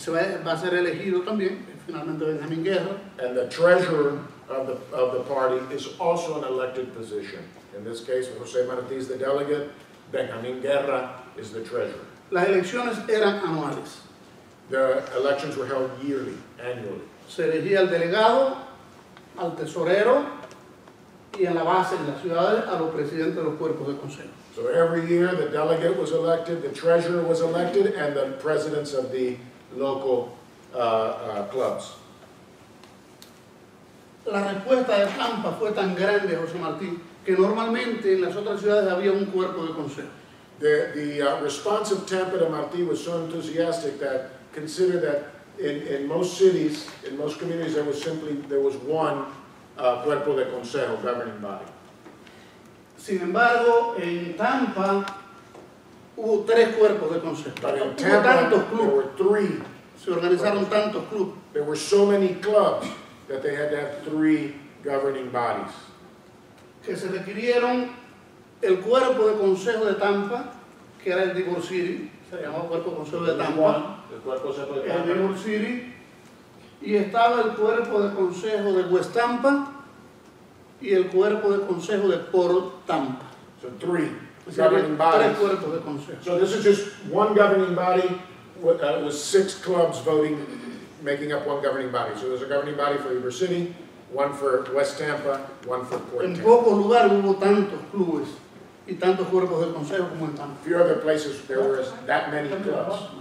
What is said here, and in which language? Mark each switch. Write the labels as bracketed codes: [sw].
[en] popular will. So he calls himself the delegate. And the treasurer of the party is also an elected position. In this case, José Martí is the delegate, Benjamín Guerra is the treasurer. [es] Las elecciones eran anuales. [en] The elections were held yearly, annually. [es] Se elegía al delegado, al tesorero, y en la base, en las ciudades, a los presidentes de los cuerpos de consejo. [en] So every year the delegate was elected, the treasurer was elected, and the presidents of the local clubs. [es] La respuesta de Tampa fue tan grande, José Martí, que normalmente en las otras ciudades había un cuerpo de consejo. [en] The response of Tampa to Martí was so enthusiastic that consider that in most cities, in most communities, there was one cuerpo de consejo, governing body. [es] Sin embargo, en Tampa hubo tres cuerpos de consejo. [en] But in Tampa, there were three. [es] Se organizaron tantos clubes. [en] There were so many clubs that they had to have three governing bodies. [es] Que se requirieron el cuerpo de consejo de Tampa, que era el Divorce City. Se llamaba Cuerpo Consejo de Tampa. El [en] New York City. [es] Y estaba el Cuerpo de Consejo de West Tampa y el Cuerpo de Consejo de Port Tampa. [en] So three governing bodies. [es] Tres cuerpos de consejo. [en] So this is just one governing body with six clubs voting, making up one governing body. So there's a governing body for New York City, one for West Tampa, one for Port Tampa. [es] En pocos lugares hubo tantos clubes y tantos cuerpos de consejo como en Tampa. [en] Few other places there were that many clubs.